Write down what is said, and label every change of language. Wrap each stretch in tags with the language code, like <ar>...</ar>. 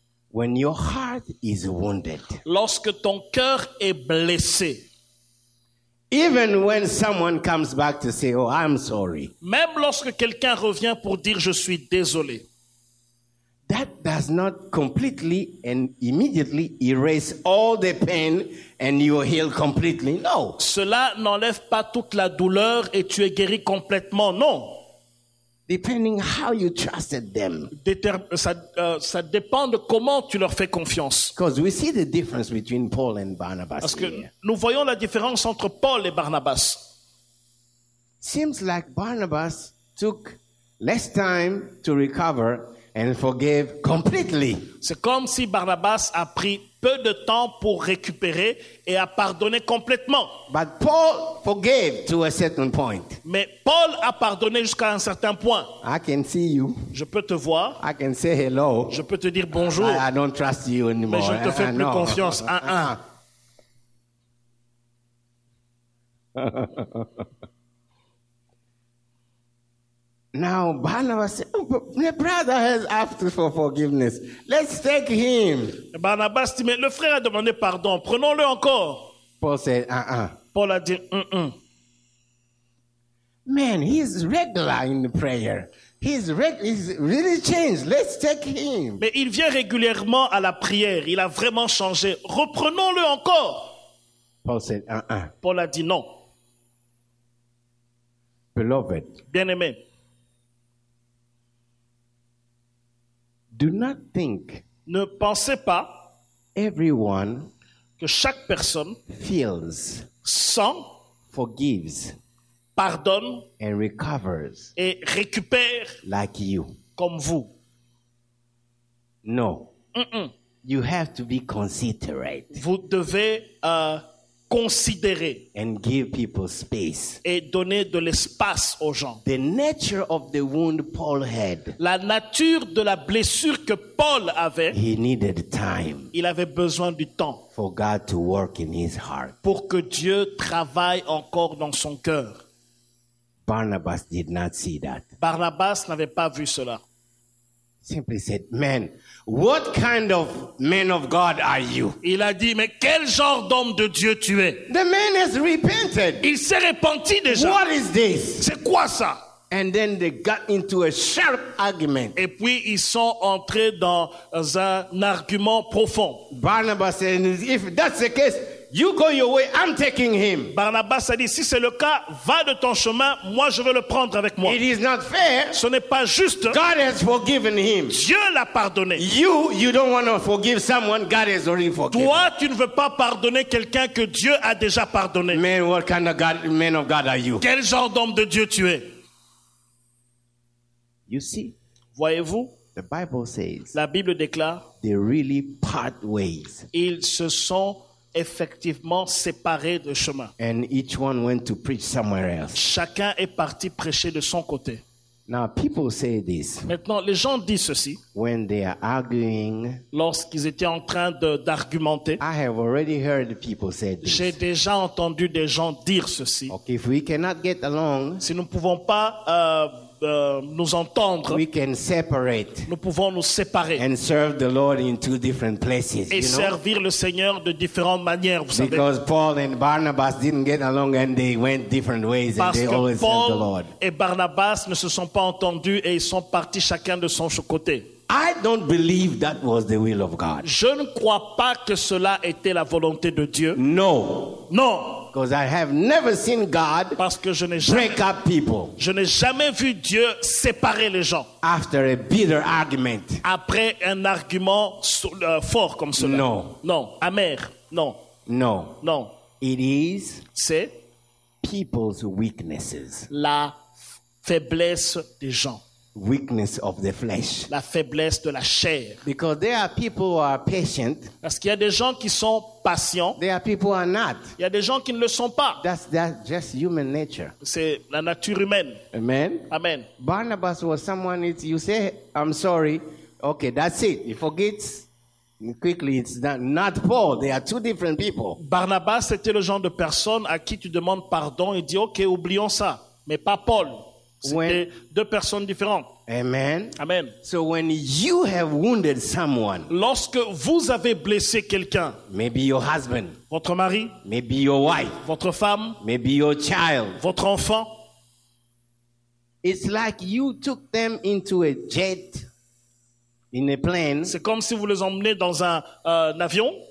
<en>when your heart is wounded,</en> <fr>lorsque ton cœur est blessé,</fr> <en>even when someone comes back to say, "Oh, I'm sorry,"</en> <fr>même lorsque quelqu'un revient pour dire, "Je suis désolé."</fr> <en>That does not completely and immediately erase all the pain and you are healed completely. No.</en> <fr>Cela n'enlève pas toute la douleur et tu es guéri complètement. Non.</fr> <en>Depending how you trusted them.</en> <fr>Ça dépend de comment tu leur fais confiance.</fr> <en>Because we see the difference between Paul and Barnabas.</en> <fr>Parce que</fr> <en>here.</en> <fr>Nous voyons la différence entre Paul et Barnabas.</fr> <en>Seems like Barnabas took less time to recover. And forgave completely.</en> <fr>C'est comme si Barnabas a pris peu de temps pour récupérer et a pardonné complètement.</fr> <en>But Paul forgave to a certain point.</en> <fr>Mais Paul a pardonné jusqu'à un certain point.</fr> <en>I can see you.</en> <fr>Je peux te voir.</fr> <en>I can say hello.</en> <fr>Je peux te dire bonjour.</fr> <en>I don't trust you anymore.</en> <fr>Mais je ne te fais plus confiance.</fr> <en>Now Barnabas said, "My brother has asked for forgiveness. Let's take him."</en> <fr>Barnabas dit, "Mais le frère a demandé pardon. Prenons-le encore."</fr> <en>Paul said, "Uh-uh."</en> <fr>Paul a dit, "Uh-uh."</fr> <en>Man, he's regular in the prayer. He's really changed. Let's take him.</en> <fr>Mais il vient régulièrement à la prière. Il a vraiment changé. Reprenons-le encore.</fr> <en>Paul said, "Uh-uh."</en> <fr>Paul a dit, "Non."</fr> <en>Beloved.</en> <fr>Bien-aimé.</fr> <en>Do not think</en> <fr>ne pensez pas</fr> <en>everyone</en> <fr>que chaque personne</fr> <en>feels,</en> <fr>sent,</fr> <en>forgives,</en> <fr>pardonne</fr> <en>and recovers</en> <fr>et récupère</fr> <en>like you.</en> <fr>Comme vous.</fr> <en>No. Mm-mm. You have to be considerate.</en> <fr>Vous devez considérer</fr> <en>and give people space.</en> <fr>Et donner de l'espace aux gens.</fr> <en>The nature of the wound Paul had.</en> <fr>La nature de la blessure que Paul avait.</fr> <en>He needed time.</en> <fr>Il avait besoin du temps.</fr> <en>For God to work in his heart.</en> <fr>Pour que Dieu travaille encore dans son cœur.</fr> <en>Barnabas did not see that.</en> <fr>Barnabas n'avait pas vu cela.</fr> <en>Simply said, man, what kind of man of God are you?</en> <fr>Il a dit, mais quel genre d'homme de Dieu tu es?</fr> <en>The man has repented.</en> <fr>Il s'est repenti déjà.</fr> <en>What is this?</en> <fr>C'est quoi ça?</fr> <en>And then they got into a sharp argument.</en> <fr>Et puis ils sont entrés dans un argument profond.</fr> <en>Barnabas said, if that's the case, you go your way, I'm taking him.</en> <fr>Barnabas a dit, si c'est le cas, va de ton chemin, moi je vais le prendre avec moi.</fr> <en>It is not fair.</en> <fr>Ce n'est pas juste.</fr> <en>God has forgiven him.</en> <fr>Dieu l'a pardonné.</fr> <en>You don't want to forgive someone God has already forgiven.</en> <fr>Toi, tu ne veux pas pardonner quelqu'un que Dieu a déjà pardonné.</fr> <en>Man, what kind of God, man of God are you?</en> <fr>Quel genre d'homme de Dieu tu es?</fr> <en>You see?</en> <fr>Voyez-vous?</fr> <en>The Bible says.</en> <fr>La Bible déclare.</fr> <en>They really part ways.</en> <fr>Ils se sont effectivement séparés de chemin.</fr> <en>And each one went to preach somewhere else.</en> <fr>Chacun est parti prêcher de son côté.</fr> <en>Now people say this.</en> <fr>Maintenant, les gens disent ceci.</fr> <en>When they are arguing,</en> <fr>lorsqu'ils étaient en train d'argumenter,</fr> <en>I have already heard people say this.</en> <fr>J'ai déjà entendu des gens dire ceci.</fr> <en>Okay, if we cannot get along,</en> <fr>si nous ne pouvons pas nous entendre,</fr> <en>we can separate,</en> <fr>nous pouvons nous séparer</fr> <en>and serve the Lord in two different places,</en> <fr>et</fr> <en>you</en> <fr>servir</fr> <en>know?</en> <fr>Le Seigneur de différentes manières, vous</fr> <en>because</en> <fr>savez.</fr> <en>Paul and Barnabas didn't get along and they went different ways</en> <fr>parce</fr> <en>and they always</en> <fr>Paul</fr> <en>served the Lord.</en> <fr>Et Barnabas ne se sont pas entendus et ils sont partis chacun de son côté.</fr> <en>I don't believe that was the will of God.</en> <fr>Je ne crois pas que cela était la volonté de Dieu.</fr> <en>No.</en> <fr>Non.</fr> <en>Because I have never seen God</en> <fr>parce que je n'ai jamais,</fr> <en>break up people.</en> <fr>Je n'ai jamais vu Dieu séparer les gens.</fr> <en>After a bitter argument.</en> <fr>Après un argument fort comme cela.</fr> <en>No.</en> <fr>Non. Amer. Non.</fr> <en>No.</en> <fr>Non.</fr> <en>It is.</en> <fr>C'est.</fr> <en>People's weaknesses.</en> <fr>La faiblesse des gens.</fr> <en>Weakness of the flesh.</en> <fr>La faiblesse de la chair.</fr> <en>Because there are people who are patient.</en> <fr>Parce qu'il y a des gens qui sont patients.</fr> <en>There are people who are not.</en> <fr>Il y a des gens qui ne le sont pas.</fr> <en>That's just human nature.</en> <fr>C'est la nature humaine.</fr> <en>Amen.</en> <fr>Amen.</fr> <en>Barnabas was someone. It's, you say, I'm sorry. Okay, that's it. He forgets quickly. It's not Paul. They are two different people.</en> <fr>Barnabas était le genre de personne à qui tu demandes pardon et dis, okay, oublions ça. Mais pas Paul. C'était</fr> <en>when,</en> <fr>deux personnes différentes.</fr> <en>Amen.</en> <fr>Amen.</fr> <en>So when you have wounded someone,</en> <fr>lorsque vous avez blessé quelqu'un,</fr> <en>maybe your husband,</en> <fr>votre mari,</fr> <en>maybe your wife,</en> <fr>votre femme,</fr> <en>maybe your child,</en> <fr>votre enfant,</fr> <en>it's like you took them into a jet, in a plane.</en> <fr>C'est comme si vous les emmenez dans un avion.</fr>